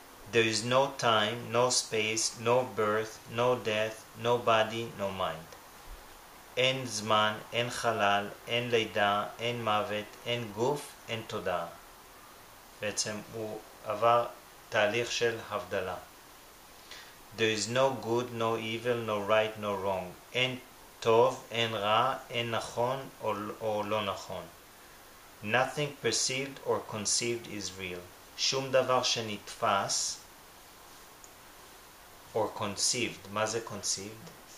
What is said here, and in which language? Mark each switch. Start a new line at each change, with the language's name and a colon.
English: There is no time, no space, no birth, no death, no body, no mind.
Hebrew: אין זמן, אין חלל, אין לידה, אין מוות, אין גוף, אין תודעה. בעצם הוא עבר תהליך של הבדלה.
English: There is no good, no evil, no right, no wrong.
Hebrew: אין טוב, אין רע, אין נכון או לא נכון.
English: Nothing perceived or conceived is real.
Hebrew: שום דבר שנתפס
English: or conceived.
Hebrew: מה זה conceived?